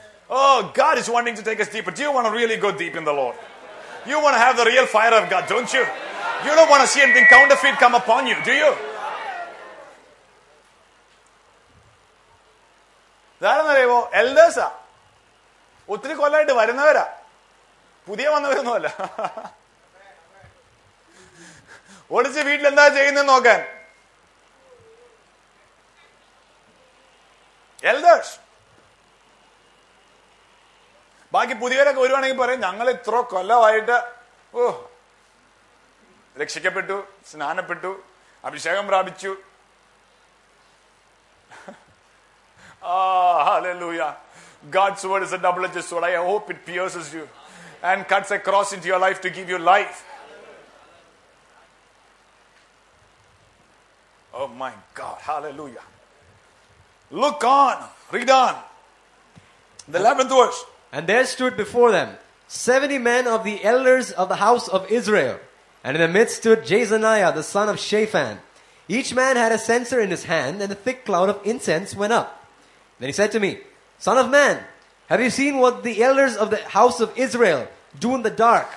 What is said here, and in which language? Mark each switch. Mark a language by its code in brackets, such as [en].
[en] Oh, God is wanting to take us deeper. Do you want to really go deep in the Lord? You want to have the real fire of God, don't you? You don't want to see anything counterfeit come upon you, do you? [ml] ദാരനരേവോ elders ആ ഒത്തിരി കൊല്ലായിട്ട് വരുന്നവരാ, പുതിയ വന്നവരൊന്നുമല്ല. ഒളിച്ച് വീട്ടിൽ എന്താ ചെയ്യുന്നത് നോക്കാൻ. elders, ബാക്കി പുതിയവരൊക്കെ വരുവാണെങ്കിൽ പറയും, ഞങ്ങൾ ഇത്ര കൊല്ലമായിട്ട് ഓ രക്ഷിക്കപ്പെട്ടു, സ്നാനപ്പെട്ടു, അഭിഷേകം പ്രാപിച്ചു. [en] Hallelujah. God's word is a double edged sword. I hope it pierces you and cuts across in your life to give you life. Oh my God, hallelujah. Look on, read on the 11th verse. And there stood before them 70 men of the elders of the house of Israel. And in the midst stood Jezaniah, the son of Shaphan. Each man had a censer in his hand, and a thick cloud of incense went up. Then he said to me, Son of man, have you seen what the elders of the house of Israel do in the dark?